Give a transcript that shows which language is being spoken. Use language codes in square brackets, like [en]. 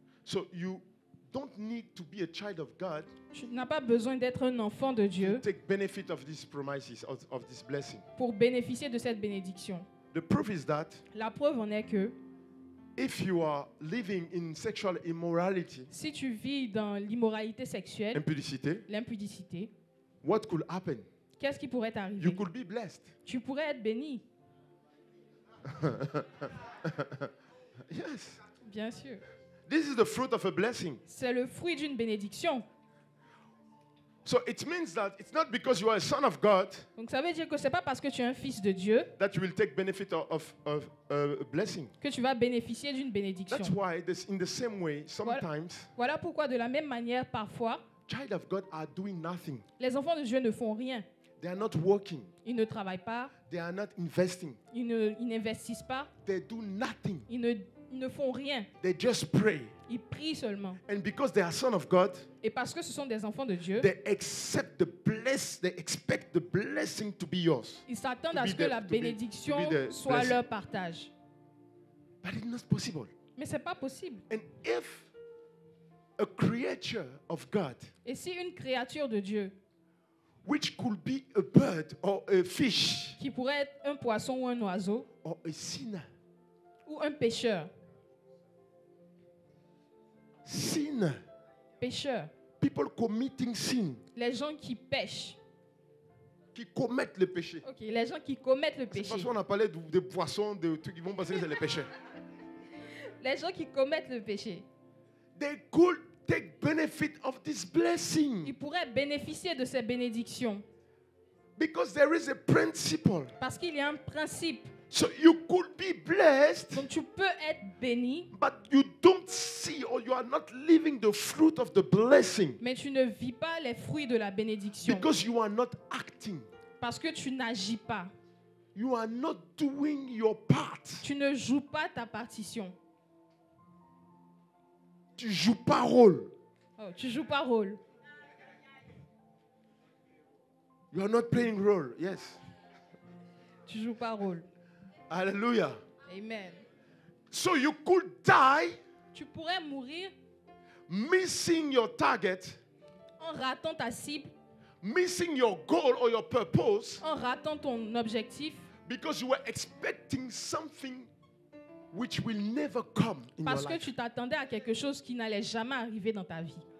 [en] So you don't need to be a child of God. [fr] Tu n'as pas besoin d'être un enfant de Dieu. [en] To take benefit of these promises of this blessing. [fr] Pour bénéficier de cette bénédiction. [en] The proof is that. [fr] La preuve en est que. [en] If you are living in sexual immorality, [fr] si tu vis dans l'immoralité sexuelle, l'impudicité, [en] what could happen? [fr] Qu'est-ce qui pourrait t'arriver? [en] You could be blessed. [fr] Tu pourrais être béni. [en] Yes. [fr] Bien sûr. [en] This is the fruit of a blessing. [fr] C'est le fruit d'une bénédiction. [en] So it means that it's not because you are a son of God. [fr] Donc ça veut dire que c'est pas parce que tu es un fils de Dieu [en] that you will take benefit of a blessing. [fr] Que tu vas bénéficier d'une bénédiction. [en] That's why this, in the same way sometimes. [fr] Voilà pourquoi de la même manière parfois. [en] Child of God are doing nothing. [fr] Les enfants de Dieu ne font rien. [en] They are not working. [fr] Ils ne travaillent pas. [en] They are not investing. [fr] Ils n'investissent pas. [en] They do nothing. [fr] Ils ne font rien. [en] They just pray. [fr] Ils prient seulement. [en] And because they are son of God, [fr] et parce que ce sont des enfants de Dieu, [en] they accept the bless, they expect the blessing to be yours. [fr] Ils s'attendent à ce que la bénédiction soit leur partage. [en] But it's not possible. [fr] Mais c'est pas possible. [en] And if a creature of God, [fr] et si une créature de Dieu, [en] which could be a bird or a fish, [fr] qui pourrait être un poisson ou un oiseau, [en] or a sinner, [fr] ou un pécheur. [en] Sin. [fr] Pécheur. [en] People committing sin. [fr] Les gens qui pêchent. Qui commettent le péché. Ok, les gens qui commettent le péché. C'est parce qu'on a parlé de poissons, de trucs qui vont penser que c'est les pécheurs. Les gens qui commettent le péché. [en] They could take benefit of this blessing. [fr] Ils pourraient bénéficier de ces bénédictions. [en] Because there is a principle. [fr] Parce qu'il y a un principe. [en] So you could be blessed. [fr] Donc tu peux être béni. [en] But you don't see or you are not living the fruit of the blessing. [fr] Mais tu ne vis pas les fruits de la bénédiction. [en] Because you are not acting. [fr] Parce que tu n'agis pas. [en] You are not doing your part. [fr] Tu ne joues pas ta partition. Tu joues pas rôle. Oh, tu joues pas rôle. [en] You are not playing role. Yes. [fr] Tu joues pas rôle. Hallelujah. Amen. [en] So you could die. [fr] Tu pourrais mourir. [en] Missing your target. [fr] En ratant ta cible. [en] Missing your goal or your purpose. [fr] En ratant ton objectif. [en] Because you were expecting something which will never come in your life. [fr] Parce que tu t'attendais à quelque chose qui n'allait jamais arriver dans ta vie.